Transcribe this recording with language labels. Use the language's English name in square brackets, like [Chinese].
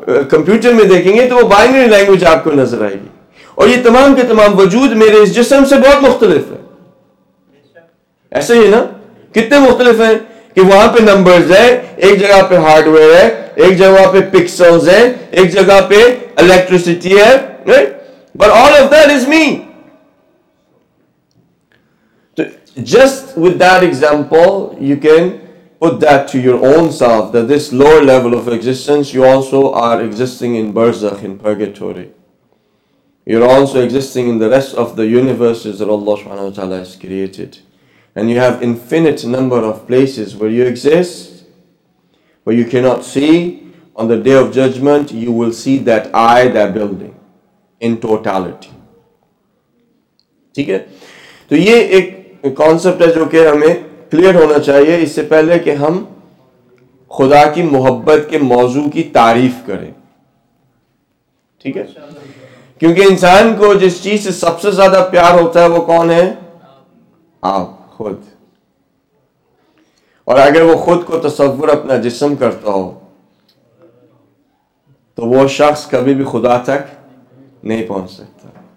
[Urdu] Computer میں دیکھیں گے تو وہ بائنری لینگویج آپ کو نظر آئے گی اور یہ تمام کے تمام وجود میرے اس جسم سے بہت مختلف ہے ایسا ہی ہے نا کتنے مختلف ہیں کہ وہاں پہ نمبرز ہیں ایک جگہ پہ ہارڈ ویئر ہے ایک جگہ پہ پکسلز ہیں ایک جگہ پہ الیکٹریسٹی ہے [English] But all of that is me just with that example you can Put that to your own self, that this lower level of existence, you also are existing in barzakh, in purgatory. You're also existing in the rest of the universes that Allah subhanahu wa ta'ala has created. And you have infinite number of places where you exist, where you cannot see. On the day of judgment, you will see that eye, that building, in totality. So this is a concept that we have [Urdu] clear ہونا چاہیے اس سے پہلے کہ ہم خدا کی محبت کے موضوع کی تعریف کریں ٹھیک ہے کیونکہ انسان کو جس چیز سے سب سے زیادہ پیار ہوتا ہے وہ کون ہے آپ خود اور اگر وہ خود کو تصور اپنا جسم کرتا ہو تو وہ شخص کبھی بھی خدا تک نہیں پہنچ سکتا